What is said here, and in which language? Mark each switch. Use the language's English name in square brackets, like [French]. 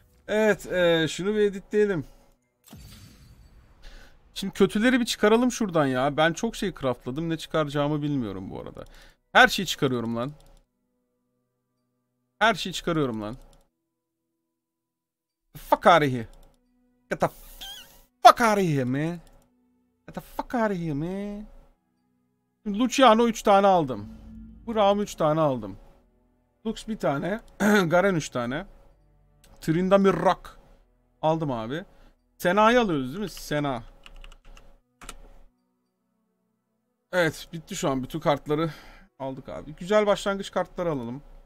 [Turkish] Evet, şunu bir editleyelim. Şimdi kötüleri bir çıkaralım şuradan ya. Ben çok şey craftladım. Ne çıkaracağımı bilmiyorum bu arada. Her şeyi çıkarıyorum lan. Her şeyi çıkarıyorum lan. [English] Fuck out of here. Get the fuck out of here, man. Get the fuck out of here, man. [Turkish] Şimdi Luciano 3 tane aldım. Bu Ram 3 tane aldım. Lux 1 tane. Garen 3 tane. Trinda bir rock aldım abi. Sena'yı alıyoruz değil mi? Sena. Evet, bitti şu an. Bütün kartları aldık abi. Güzel başlangıç kartları alalım.